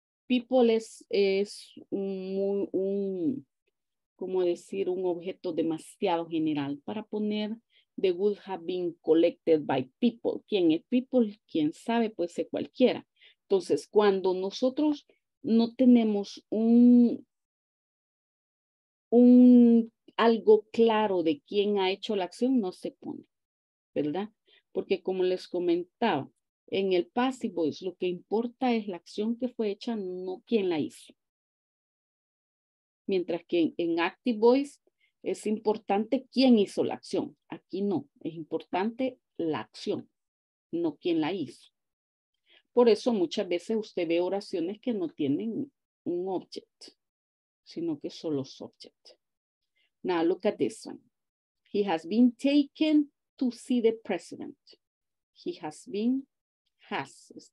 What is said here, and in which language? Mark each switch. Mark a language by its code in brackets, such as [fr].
[es] People es un objeto demasiado general para poner [en] the goods have been collected by people. [es] ¿Quién es people? ¿Quién sabe? Puede ser cualquiera. Entonces, cuando nosotros no tenemos un algo claro de quién ha hecho la acción, no se pone, ¿verdad? Porque como les comentaba, en el passive voice, lo que importa es la acción que fue hecha, no quién la hizo. Mientras que en active voice es importante quién hizo la acción. Aquí no, es importante la acción, no quién la hizo. Por eso muchas veces usted ve oraciones que no tienen un object, sino que solo subject. [en] Now look at this one. He has been taken to see the president. He has been has.